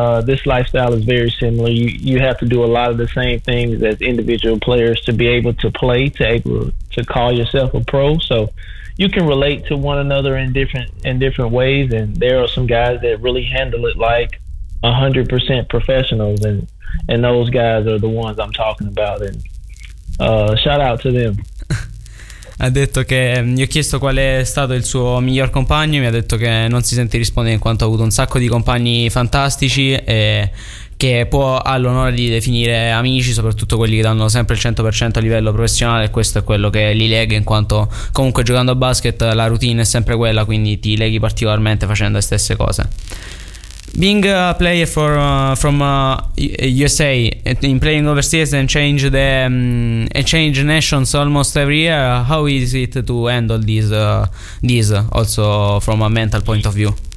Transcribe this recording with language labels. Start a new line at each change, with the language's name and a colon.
English: This lifestyle is very similar. You have to do a lot of the same things as individual players to be able to play, to able to call yourself a pro. So you can relate to one another in different ways. And there are some guys that really handle it like 100% professionals. And those guys are the ones I'm talking about. And shout out to them.
Italian: Ha detto che gli ho chiesto qual è stato il suo miglior compagno, mi ha detto che non si sente rispondere, in quanto ha avuto un sacco di compagni fantastici e che può, ha l'onore di definire amici, soprattutto quelli che danno sempre il 100% a livello professionale, e questo è quello che li lega, in quanto comunque giocando a basket la routine è sempre quella, quindi ti leghi particolarmente facendo le stesse cose.
English: Being a player from USA in playing overseas and change the and change nations almost every year, how is it to handle this also from a mental point of view?